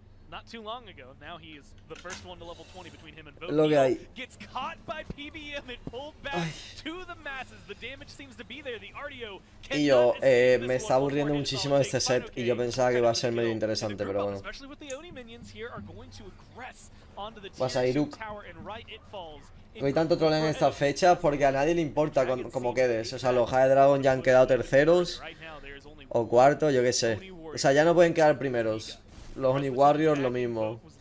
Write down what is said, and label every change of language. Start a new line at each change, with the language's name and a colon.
English: Not too long ago, now he is the first one to level 20 between him and Vogue. Gets caught by PBM and pulled back to the masses. The damage seems to be there. The RDO.
Spanish: Y yo, me está aburriendo muchísimo este set y yo pensaba que iba a ser medio interesante, pero bueno.
English: Especially with the Oni minions here are going to aggress onto the tower and right it falls.
Spanish: No hay tanto troll en estas fechas porque a nadie le importa cómo quedes. O sea, los High Dragon ya han quedado terceros o cuarto, yo qué sé. O sea, ya no pueden quedar primeros. Los Oni Warriors lo mismo.